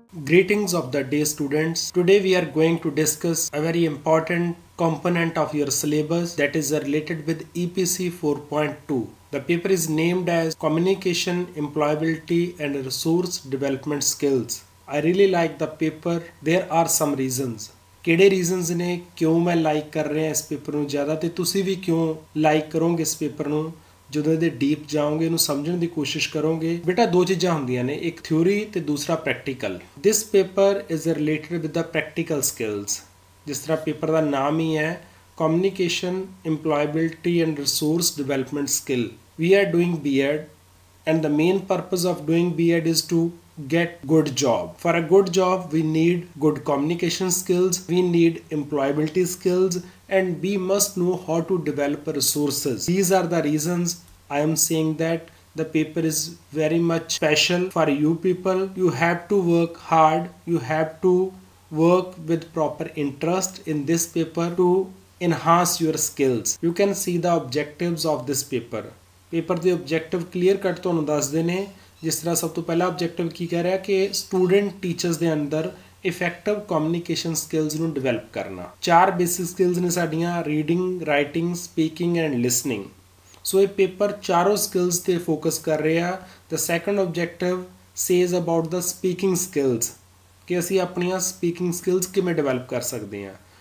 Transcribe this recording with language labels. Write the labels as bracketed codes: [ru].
[en] Greetings of the day, students. Today we are going to discuss a very important component of your syllabus, that is related with EPC 4.2. The paper is named as Communication, Employability and Resource Development Skills. I really like the paper. There are some reasons. [pa] ਕਿਹੜੇ reasons ਨੇ ਕਿਉਂ ਮੈਂ like ਕਰ ਰਿਹਾ ਇਸ paper ਨੂੰ ਜ਼ਿਆਦਾ, ਅਤੇ ਤੁਸੀਂ ਵੀ ਕਿਉਂ ਲਾਈਕ ਕਰੋਗੇ ਇਸ ਪੇਪਰ ਨੂੰ ਜਦੋਂ ਇਹਦੇ ਡੀਪ ਜਾਓਗੇ, ਇਹਨੂੰ ਸਮਝਣ ਦੀ ਕੋਸ਼ਿਸ਼ ਕਰੋਗੇ? ਬੇਟਾ ਦੋ ਚੀਜ਼ਾਂ ਹੁੰਦੀਆਂ ਨੇ, ਇੱਕ ਥਿਊਰੀ ਅਤੇ ਦੂਸਰਾ practical. [en] This paper is related with the practical skills. [pa] ਜਿਸ ਤਰ੍ਹਾਂ ਪੇਪਰ ਦਾ ਨਾਮ ਹੀ ਹੈ, communication, ਇੰਪਲੋਇਬਿਲਟੀ and resource development skill. [en] We are doing B Ed and the main purpose of doing B Ed is to get good job. For a good job, we need good communication skills, we need employability skills, and we must know how to develop resources. These are the reasons I am saying that the paper is very much special for you people. You have to work hard, you have to work with proper interest in this paper to enhance your skills. You can see the objectives of this paper. [pa] Paper the objective clear cut tonu dasde ne. ਜਿਸ ਤਰ੍ਹਾਂ ਸਭ ਤੋਂ ਪਹਿਲਾ objective ਕੀ ਕਹਿ ਰਿਹਾ ਕਿ student teachers ਦੇ ਅੰਦਰ ਇਫੈਕਟਿਵ ਕਮਿਊਨੀਕੇਸ਼ਨ ਸਕਿੱਲਸ ਨੂੰ ਡਿਵੈਲਪ ਕਰਨਾ। ਚਾਰ ਬੇਸਿਕ ਸਕਿੱਲਸ ਨੇ ਸਾਡੀਆਂ, reading, writing, speaking and listening. ਸੋ ਇਹ ਪੇਪਰ ਚਾਰੋ ਸਕਿੱਲਸ 'ਤੇ ਫੋਕਸ ਕਰ ਰਿਹਾ। [en] the second objective says about the speaking skills, [pa] ਕਿ ਅਸੀਂ ਆਪਣੀਆਂ ਸਪੀਕਿੰਗ ਸਕਿੱਲਸ ਕਿਵੇਂ ਡਿਵੈਲਪ ਕਰ ਸਕਦੇ ਹਾਂ।